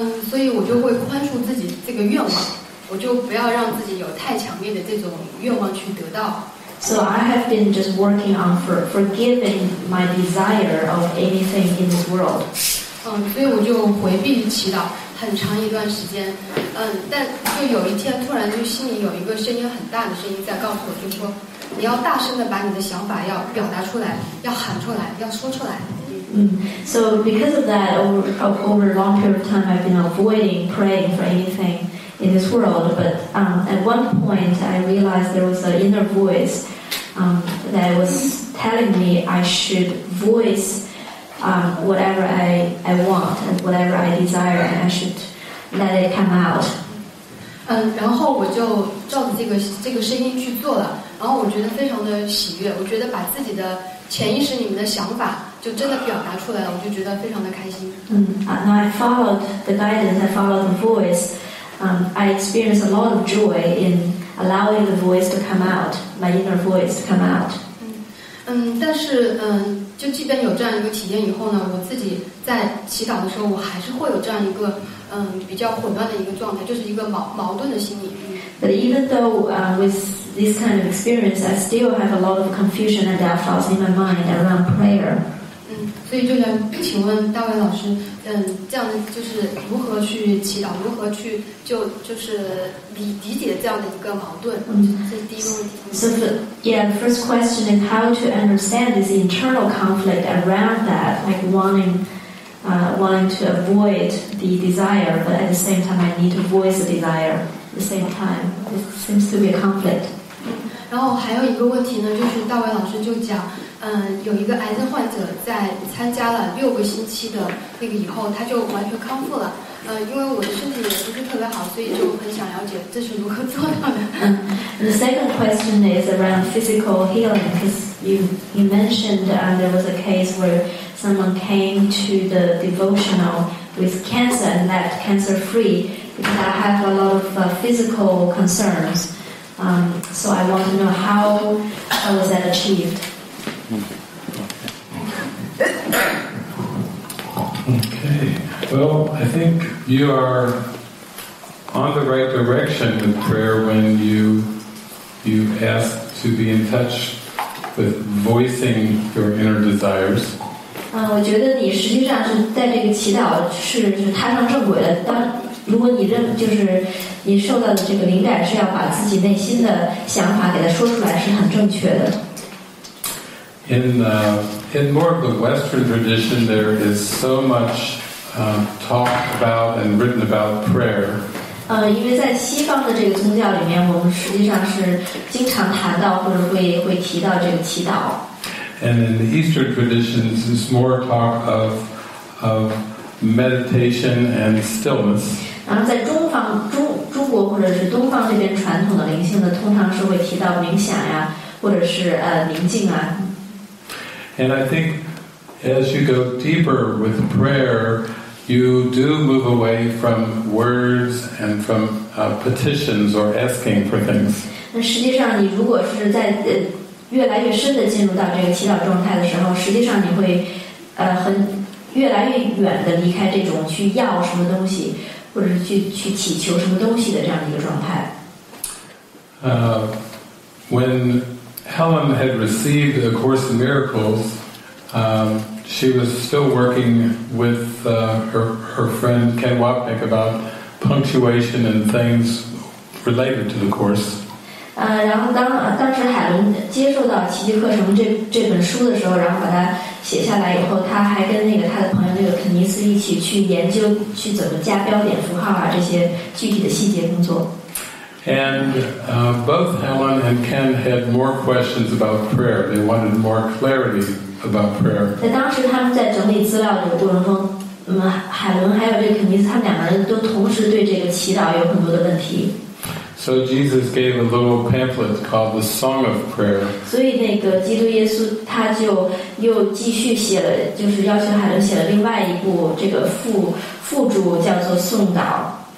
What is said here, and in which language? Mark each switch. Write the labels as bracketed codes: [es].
[zh] 所以我就会宽恕自己这个愿望，我就不要让自己有太强烈的这种愿望去得到。 [en] So I have been just working on forgiving my desire of anything in this world. [zh] 所以我就回避祈祷很长一段时间。但就有一天突然就心里有一个声音很大的声音在告诉我，就说。你要大声地把你的想法要表达出来，要喊出来，要说出来。 [en] So because of that, over a long period of time, I've been avoiding praying for anything in this world. But at one point, I realized there was an inner voice that was telling me I should voice whatever I want and whatever I desire, and I should let it come out. [zh] 然后我就照着这个声音去做了。然后我觉得非常的喜悦，我觉得把自己的潜意识里面的想法就真的表达出来了，我就觉得非常的开心。 [en] And I followed the guidance, I followed the voice. I experienced a lot of joy in allowing the voice to come out, my inner voice to come out. [zh] 但是就即便有这样一个体验以后呢，我自己在祈祷的时候，我还是会有这样一个比较混乱的一个状态，就是一个矛盾的心理。 [en] But even though with this kind of experience, I still have a lot of confusion and doubt thoughts in my mind around prayer. [zh] 所以就想请问大卫老师，这样就是如何去祈祷，如何去就是理解这样的一个矛盾？这是第一个问题。 [en] So the first question is how to understand this internal conflict around that, like wanting to avoid the desire, but at the same time I need to voice the desire. The same time, it seems to be a conflict. [zh] 然后还有一个问题呢，就是大卫老师就讲，有一个癌症患者在参加了六个星期的那个以后，他就完全康复了。因为我的身体也不是特别好，所以就很想了解这是如何做到的。 [en] The second question is around physical healing, because you mentioned there was a case where someone came to the devotional with cancer and left cancer free. Because I have a lot of physical concerns, so I want to know how was that achieved. Okay. Well, I think you are on the right direction with prayer when you ask to be in touch with voicing your inner desires. [zh] 我觉得你实际上是在这个祈祷是踏上正轨了。当如果你认就是你受到的这个灵感是要把自己内心的想法给它说出来，是很正确的。 [en] In more of the Western tradition, there is so much talk about and written about prayer. [zh] 因为在西方的这个宗教里面，我们实际上是经常谈到或者会提到这个祈祷。 [en] And in the Eastern traditions, there's more talk of meditation and stillness. [zh] 然后在中国或者是东方这边传统的灵性的，通常是会提到冥想呀，或者是宁静啊。 [en] And I think as you go deeper with prayer, you do move away from words and from petitions or asking for things. [zh] 那实际上，你如果是在越来越深的进入到这个祈祷状态的时候，实际上你会很越来越远的离开这种去要什么东西。或者是去祈求什么东西的这样的一个状态。 [en] When Helen had received A Course in Miracles, she was still working with her friend Ken Wapnick about punctuation and things related to the course. [zh] 然后当时海伦接受到奇迹课程这本书的时候，然后把它写下来以后，她还跟那个她的朋友那个肯尼斯一起去研究去怎么加标点符号啊这些具体的细节工作。 [en] And both Helen and Ken had more questions about prayer. They wanted more clarity about prayer. [zh] 在当时他们在整理资料的过程中，海伦还有这个肯尼斯，他们两个人都同时对这个祈祷有很多的问题。 [en] So Jesus gave a little pamphlet called the Song of Prayer. [zh] 所以那个基督耶稣他就又继续写了，就是要求海伦写了另外一部这个附注，叫做颂祷。